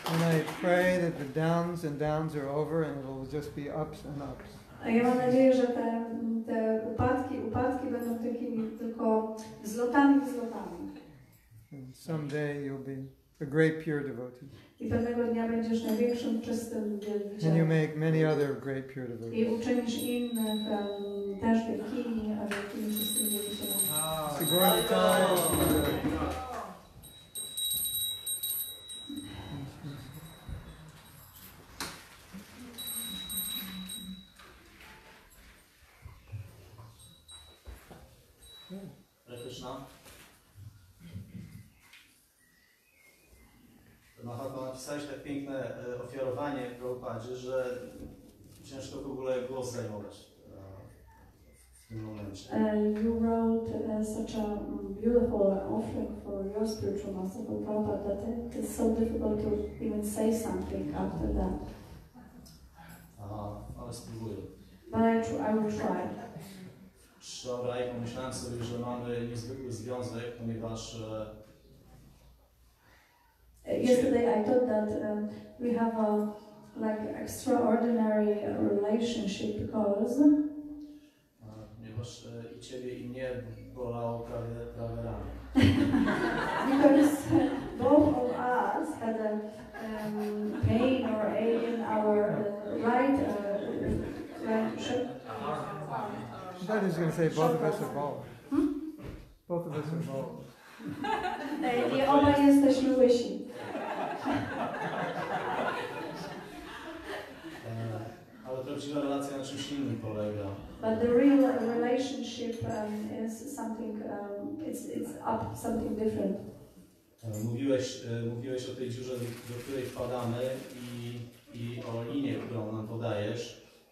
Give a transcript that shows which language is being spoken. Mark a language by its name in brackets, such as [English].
[English] And I pray that the downs and downs are over and it will just be ups and ups. [Polish] A ja mam nadzieję, że te upadki będą takimi tylko zlotami i zlotami. [English] And someday you'll be a great pure devotee. [Polish] I pewnego dnia będziesz największym czystym wielbicielem. [English] And you make many other great pure devotees. [Polish] I uczynisz innych też wielkimi, a wielkimi czystym wielbicielem. Sigurantam! Mahatma, napisałeś tak piękne ofiarowanie Prabhupadzie, że ciężko w ogóle głos zajmować w tym momencie. [English] You wrote such a beautiful offering for your spiritual master, Prabhupada, that it is so difficult to even say something after that. [Polish] Ale spróbuję. [English] But I will try. [Polish] Dobra, i pomyślałem sobie, że mamy niezwykły związek, ponieważ [English] yesterday I thought that we have a like extraordinary relationship because [Polish] ponieważ i ciebie i mnie bolało prawie ramię. [English] Because both of us had a pain or ache in our right shoulder. I thought he was going to say both of us are bald. Both of us are bald. [Polish] I oba jesteśmy łysi. Ale prawdziwa relacja na czymś innym polega. [English] But the real relationship is something, it's up something different. [Polish] Mówiłeś o tej dziurze, do której wpadamy i o linie, którą nam podajesz.